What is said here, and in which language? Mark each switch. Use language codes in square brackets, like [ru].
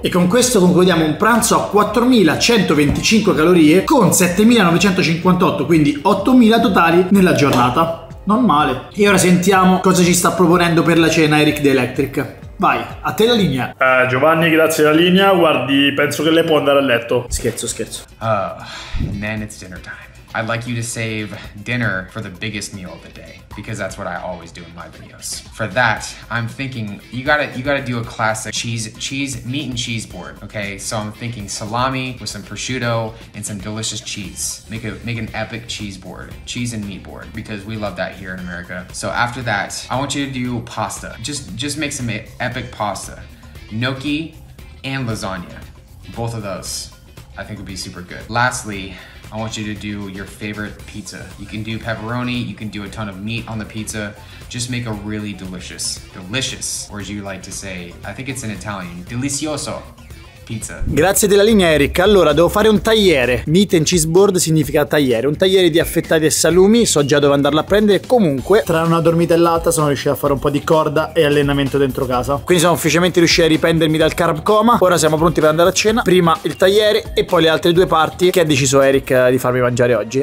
[it] E con questo concludiamo un pranzo a 4125 calorie, con 7958, quindi 8000 totali nella giornata. Non male. E ora sentiamo cosa ci sta proponendo per la cena Eric The Electric. Vai, a te la linea. Giovanni, grazie la linea. Guardi, penso che lei può andare a letto. Scherzo, scherzo. [en] Man, it's dinner time. I'd like you to save dinner for the biggest meal of the day, because that's what I always do in my videos. For that, I'm thinking you gotta do a classic cheese meat and cheese board, okay? So I'm thinking salami with some prosciutto and some delicious cheese. Make an epic cheese board, cheese and meat board, because we love that here in America. So after that, I want you to do pasta. Just make some epic pasta, gnocchi and lasagna, both of those. I think would be super good. Lastly, I want you to do your favorite pizza. You can do pepperoni, you can do a ton of meat on the pizza. Just make a really delicious, delicious, or as you like to say, I think it's in Italian, delicioso pizza. [it] Grazie della linea, Eric. Allora, devo fare un tagliere. [en] Meat and cheese board [it] significa tagliere. Un tagliere di affettati e salumi, so già dove andarlo a prendere. Comunque, tra una dormita e l'altra, sono riuscito a fare un po' di corda e allenamento dentro casa. Quindi sono ufficialmente riuscito a riprendermi dal carb coma. Ora siamo pronti per andare a cena. Prima il tagliere e poi le altre due parti che ha deciso Eric di farmi mangiare oggi.